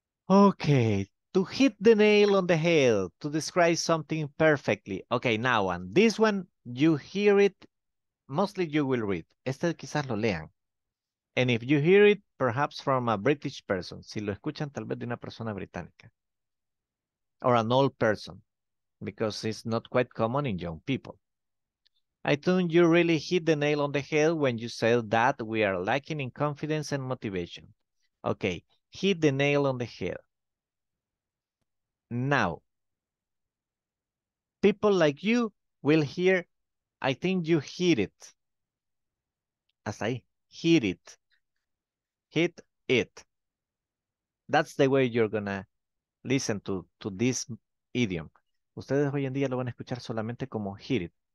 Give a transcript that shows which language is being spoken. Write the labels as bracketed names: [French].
[English] Okay, to hit the nail on the head, to describe something perfectly. Okay, now one. This one, you hear it, mostly you will read. [Spanish] Este quizás lo lean. [English] And if you hear it, perhaps from a British person. [Spanish] Si lo escuchan, tal vez de una persona británica. [English] Or an old person. Because it's not quite common in young people. I think you really hit the nail on the head when you said that we are lacking in confidence and motivation. Okay, hit the nail on the head. Now, people like you will hear, I think you hit it. As I hit it. Hit it. That's the way you're gonna listen to this idiom. [Spanish] Ustedes hoy en día lo van a escuchar solamente como hit it.